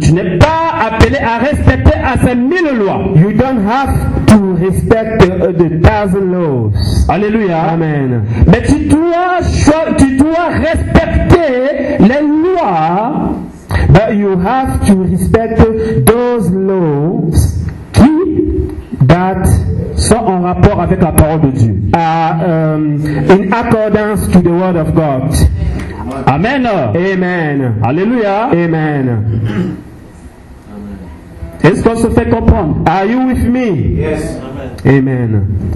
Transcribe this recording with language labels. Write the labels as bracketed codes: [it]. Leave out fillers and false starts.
[fr] tu n'es pas appelé à respecter à ces mille lois. [en] You don't have to respect the thousand laws. [fr] Alléluia, amen. Mais tu dois respecter les lois. [en] But you have to respect those laws that [fr] sont en rapport avec la parole de Dieu. [en] In accordance to the word of God. Amen. Amen. Alléluia. Amen. [fr] Est-ce qu'on se fait comprendre? [en] Are you with me? Yes. Amen.